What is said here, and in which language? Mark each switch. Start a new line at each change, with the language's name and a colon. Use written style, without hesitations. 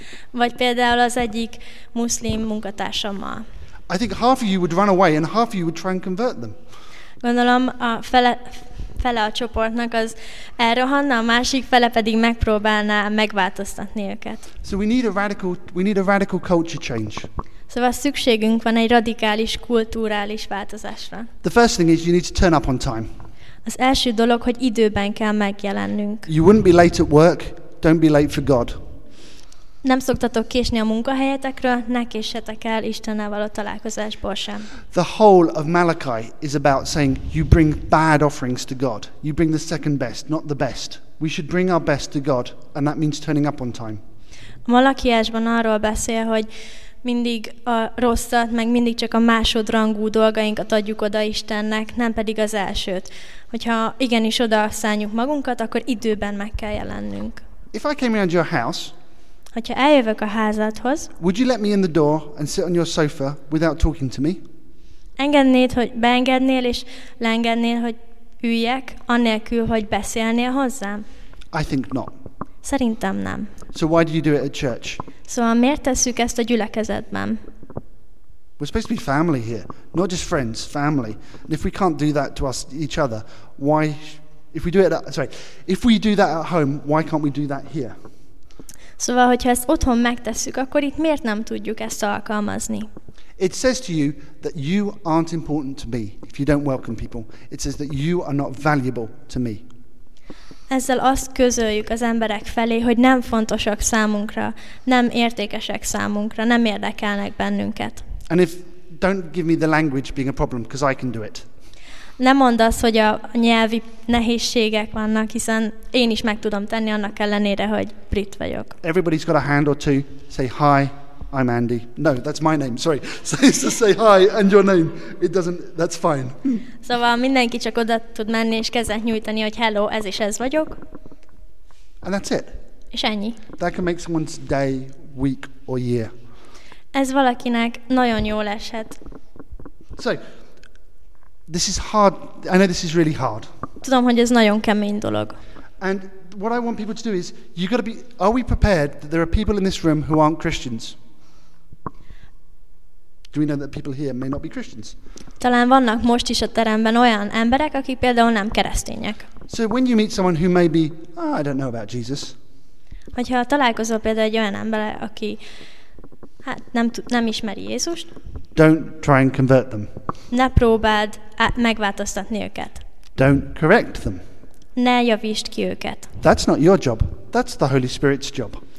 Hungarian: Vagy például az egyik muszlim munkatársammal.
English: I think half of you would run away and half of you would try and convert them.
Hungarian: Gondolom a fele a csoportnak az elrohanna, a másik fele pedig megpróbálná megváltoztatni őket.
English: So we need a radical culture change.
Hungarian: Szóval szükségünk van egy radikális kulturális változásra.
English: The first thing is you need to turn up on time.
Hungarian: Az első dolog, hogy időben kell megjelennünk.
English: You wouldn't be late at work, don't be late for God.
Hungarian: Nem szoktatok késni a munkahelyetekről, ne késsetek el Istennel való találkozásból sem.
English: The whole of Malachi is about saying you bring bad offerings to God. You bring the second best, not the best. We should bring our best to God, and that means turning up on time.
Hungarian: A Malachiásban arról beszél, hogy mindig a rosszat, meg mindig csak a másodrangú dolgainkat adjuk oda Istennek, nem pedig az elsőt. Hogyha igenis oda szálljuk magunkat, akkor időben meg kell jelennünk.
English: If I came around your house,
Hungarian: hogyha eljövök a házadhoz,
English: would you let me in the door and sit on your sofa without talking to me?
Hungarian: Engednéd, hogy beengednél és leengednél, hogy üljek, annélkül, hogy beszélnél hozzám?
English: I think not.
Hungarian: Szerintem nem.
English: So why do you do it at church?
Hungarian: Szóval miért tesszük ezt a gyülekezetben?
English: We're supposed to be family here, not just friends, family. And if we can't do that to us each other, why? If we do that at home, why can't we do that here?
Hungarian: Szóval, hogyha ezt otthon megtesszük, akkor itt miért nem tudjuk ezt alkalmazni?
English: It says to you that you aren't important to me if you don't welcome people. It says that you are not valuable to me.
Hungarian: Ezzel azt közöljük az emberek felé, hogy nem fontosak számunkra, nem értékesek számunkra, nem érdekelnek bennünket.
English: And if don't give me the language being a problem because I can do it.
Hungarian: Nem mondd azt, hogy a nyelvi nehézségek vannak, hiszen én is meg tudom tenni annak ellenére, hogy brit vagyok.
English: Everybody's got a hand or two. Say hi, I'm Andy. No, that's my name. Sorry. Say hi and your name. It doesn't. That's fine.
Hungarian: Szóval mindenki csak oda tud menni és kezet nyújtani, hogy hello, ez is ez vagyok.
English: And that's it.
Hungarian: És ennyi.
English: That can make someone's day, week or year.
Hungarian: Ez valakinek nagyon jól eshet.
English: So, this is hard. I know this is really hard.
Hungarian: Tudom, hogy ez nagyon kemény dolog.
English: And what I want people to do is, you got to be. Are we prepared that there are people in this room who aren't Christians? Do we know that people here may not be Christians?
Hungarian: Talán vannak most is a teremben olyan emberek, akik például nem keresztények.
English: So when you meet someone who may be, oh, I don't know about Jesus.
Hungarian: Hogyha találkozol például egy olyan ember, aki hát nem ismeri Jézust.
English: Don't try and convert them.
Hungarian: Ne próbáld megváltoztatni őket.
English: Don't correct them.
Hungarian: Ne javítsd ki őket.
English: That's not your job. That's the Holy Spirit's job.